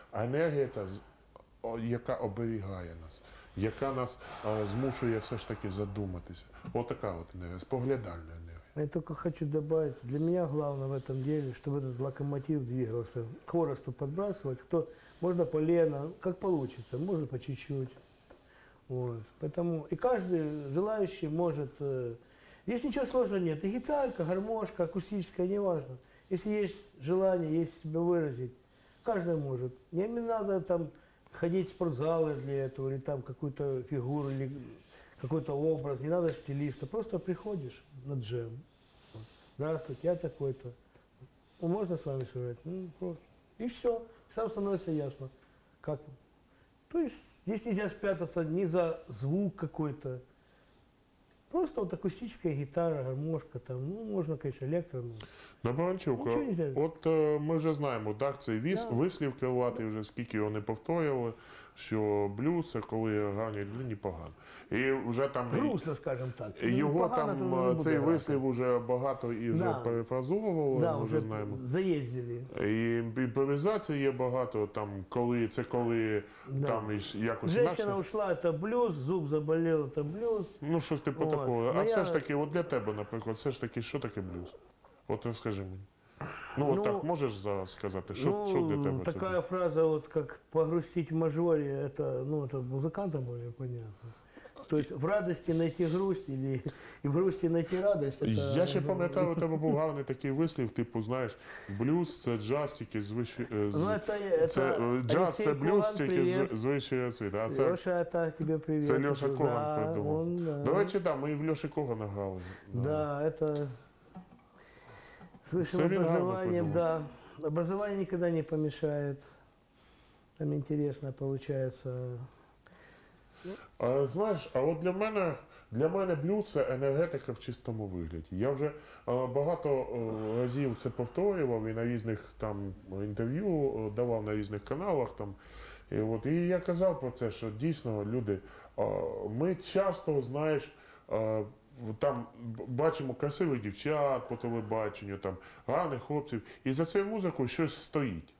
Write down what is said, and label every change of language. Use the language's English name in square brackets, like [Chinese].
[Ukrainian] А енергія ця, яка оберігає нас, яка нас змушує все ж таки задуматися. Отака от енергія, споглядальна енергія. Я тільки хочу додати, для мене головне в цьому ділі, щоб цей локомотив двигався, хворосту підбрасувати, хто можна полено, як вийде, можна по чуть-чуть. [Russian] Вот. Поэтому и каждый желающий может, здесь ничего сложного нет, и гитарка, гармошка, акустическая, неважно. Если есть желание, есть себя выразить, каждый может. Не надо там ходить в спортзалы для этого, или там какую-то фигуру, или какой-то образ, не надо стилиста, просто приходишь на джем. Вот. Здравствуйте, я такой-то, можно с вами сыграть? Ну, просто. И все, сам становится ясно, как. То есть, здесь нельзя спрятаться ни за звук какой-то. Просто вот акустическая гитара, гармошка, там, ну, можно, конечно, электро. Но... [Ukrainian] Баранчука, от ми вже знаємо, так, цей вислів керувати, вже скільки його не повторювали, що блюз – це коли гарні людини, погано. І вже там… Грустно, скажімо так. Його там, цей вислів вже багато і вже перефразовували, ми вже знаємо. Так, заїздили. І імпровізації є багато, там, коли, це коли там якось… [Russian] Женщина ушла [Ukrainian] – це блюз, зуб заболів – це блюз. Ну, щось типу такого. А все ж таки, от для тебе, наприклад, все ж таки, що таке блюз? От розкажи мені. Ну, от так можеш зараз сказати, що, ну, що для тебе? Така фраза, от як погрустити в мажорі, це, ну, це музиканта буде, понятно. Тобто в радості знайти грусть, или, і в грусті знайти радість. [Russian] Это, [Ukrainian] я ще пам'ятаю, у тебе був гарний такий вислів, типу, знаєш, блюз – це джаз, тільки з вищої… Ну, це джаз, це блюз, Куан, тільки з вищої освіти. А це, [Russian] Леша, это тебе привет. [Ukrainian] Це Леша Коган, да, придумав. [Russian] Он, да. [Ukrainian] До речі, да, ми і в Леші Когана грали. [Russian] Да, да, это... Слышал, образование, да. Образование никогда не помешает. Там интересно получается. А, знаешь, а вот [Ukrainian] для мене блюз – це енергетика в чистому вигляді. Я вже багато разів це повторював і на різних там інтерв'ю давав на різних каналах. Там. І, от, і я казав про це, що дійсно, люди, ми часто, знаєш, там бачимо красивих дівчат по телебаченню, там гарних хлопців, і за цією музикою щось стоїть.